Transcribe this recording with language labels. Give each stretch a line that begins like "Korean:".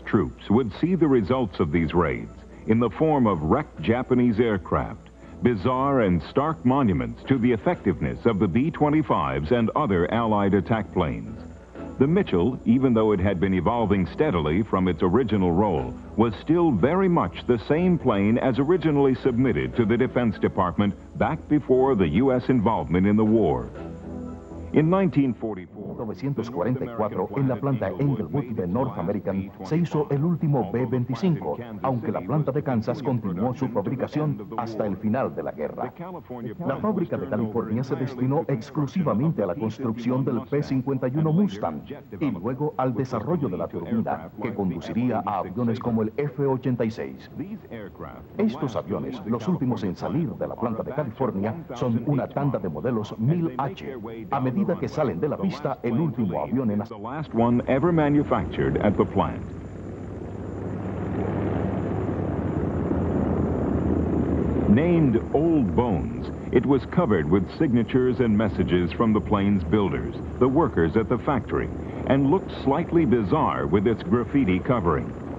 English: troops would see the results of these raids in the form of wrecked Japanese aircraft, bizarre and stark monuments to the effectiveness of the B-25s and other Allied attack planes. The Mitchell, even though it had been evolving steadily from its original role, was still very much the same plane as originally submitted to the Defense Department back before the U.S. involvement in the war.
Spanish: En 1944, en la planta Englewood de North American, se hizo el último B-25, aunque la planta de Kansas continuó su fabricación hasta el final de la guerra. La fábrica de California se destinó exclusivamente a la construcción del P-51 Mustang y luego al desarrollo de la turbina, que conduciría a aviones como el F-86. Estos aviones, los últimos en salir de la planta de California, son una tanda de modelos 1000H. A medida que salen de la pista, el último avión en
English: the last one ever manufactured at the plant. Named Old Bones, it was covered with signatures and messages from the plane's builders, the workers at the factory, and looked slightly bizarre with its graffiti covering.